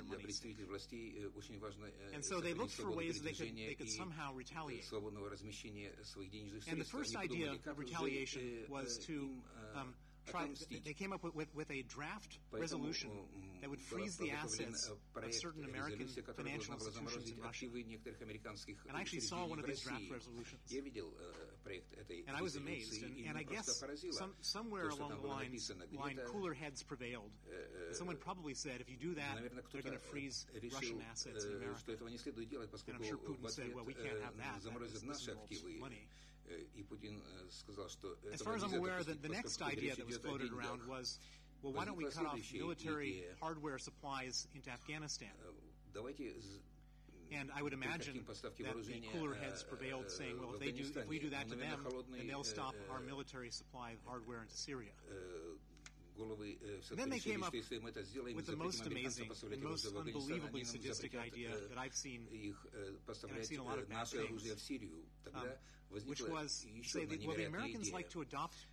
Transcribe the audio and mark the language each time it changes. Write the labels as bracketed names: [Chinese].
[Russian] для представителей властей очень важно сохранить свободу передвижения и свободного размещения своих денежных средств. Они подумали, как им [English] they came up with a draft resolution that would freeze the assets of certain American financial institutions in Russia. And I actually saw one of these draft resolutions. And I was amazed. And I guess somewhere along the line, cooler heads prevailed. And someone probably said, if you do that, they're going to freeze Russian assets in America. And I'm sure Putin said, well, we can't have that. That this involves money. [Russian] И Путин сказал, что [English] as far as I'm aware, the next idea that was floated around was, well, why don't we cut off military hardware supplies into Afghanistan? And I would imagine that the cooler heads prevailed, saying, well, if we do that to them, then they'll stop our military supply of hardware into Syria. [Russian] головы все-таки решили, что если мы это сделаем, мы запретим американцам поставлять оружие в Афганистан, они нам запретят их поставлять наше оружие в Сирию. Тогда возникла еще одна невероятная идея.